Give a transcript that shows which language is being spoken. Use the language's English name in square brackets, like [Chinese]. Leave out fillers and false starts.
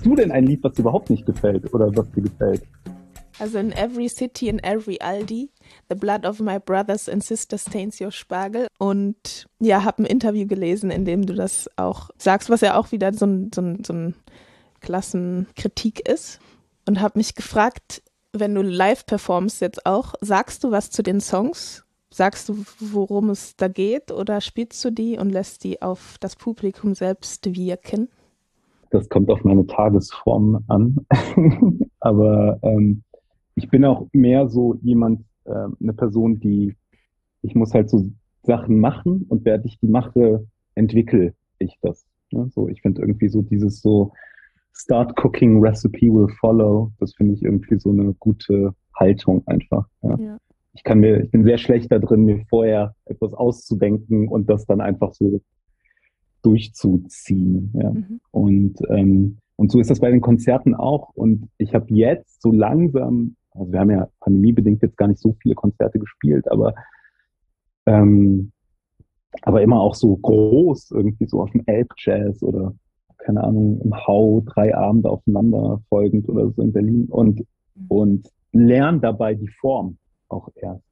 [German] Ein Lied, was dir überhaupt nicht gefällt oder was dir gefällt. [English] Also in every city, in every Aldi, the blood of my brothers and sisters stains your Spargel. [German] Und ja, habe ein Interview gelesen, in dem du das auch sagst, was ja auch wieder so ein Klassenkritik ist. Und habe mich gefragt, wenn du live performst jetzt auch, sagst du was zu den Songs? Sagst du, worum es da geht? Oder spielst du die und lässt die auf das Publikum selbst wirken? Das kommt auf meine Tagesform an. Aber ich bin auch mehr so jemand, eine Person, die ich muss halt so Sachen machen und während ich die mache, entwickle ich das. Ne? So, ich finde irgendwie so dieses so, [English] Start cooking, recipe will follow. [German] Das finde ich irgendwie so eine gute Haltung einfach. Ja. Ja. Ich bin sehr schlecht da drin, mir vorher etwas auszudenken und das dann einfach so durchzuziehen. Ja. Und so ist das bei den Konzerten auch. Und ich habe jetzt so langsam, also wir haben ja pandemiebedingt jetzt gar nicht so viele Konzerte gespielt, aber immer auch so groß, irgendwie so auf dem Elbjazz oder keine Ahnung, im Hau, 3 Abende aufeinander folgend oder so in Berlin und lerne dabei die Form auch erst.